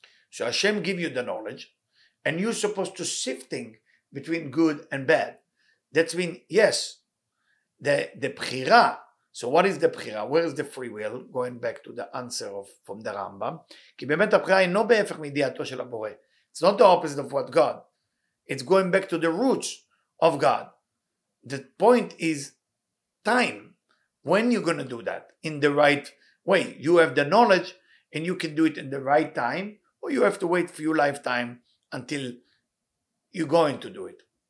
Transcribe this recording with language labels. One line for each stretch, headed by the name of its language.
English: So Hashem give you the knowledge and you're supposed to sifting between good and bad. That's mean, yes, the bchira. So what is the bchira? Where is the free will? Going back to the answer from the Rambam.
Hebrew: כי באמת הבחירה אינו בהפך מידיעתו של הבורא.
English: It's not the opposite of what God. It's going back to the roots of God. The point is time. When you're going to do that in the right way. You have the knowledge and you can do it in the right time, or you have to wait for your lifetime until you're going to do it.